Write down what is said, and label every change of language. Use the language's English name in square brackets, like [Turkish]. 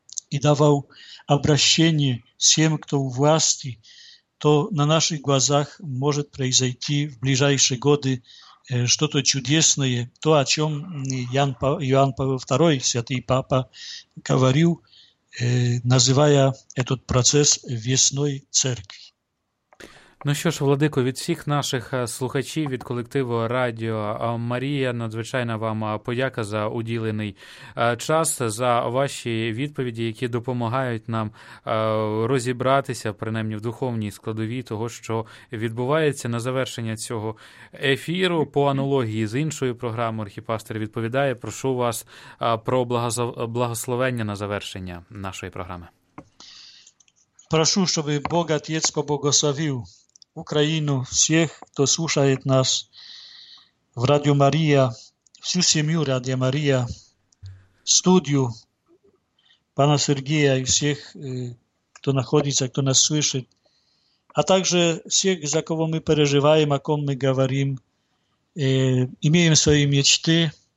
[Russian] и давал обращение всем, кто у власти, то на наших глазах может произойти в ближайшие годы что-то чудесное, то, о чем Иоанн Павел II, святый папа, говорил, називая этот процес весной церкви. [Ukrainian] Ну що ж, Владико, від всіх наших слухачів, від колективу Радіо Марія, надзвичайна вам подяка за уділений час, за ваші відповіді, які допомагають нам розібратися, принаймні в духовній складовій того, що відбувається на завершення цього ефіру. По аналогії з іншою програмою архіпастир відповідає. Прошу вас про благословення на завершення нашої програми. Прошу, щоб Бог Отець поблагословив [Russian] Украину, всех, кто слушает нас в Радио Мария, всю семью Радио Мария, студию пана Сергея и всех, кто находится, кто нас слышит, а также всех, за кого мы переживаем, о ком мы говорим, имеем свои мечты,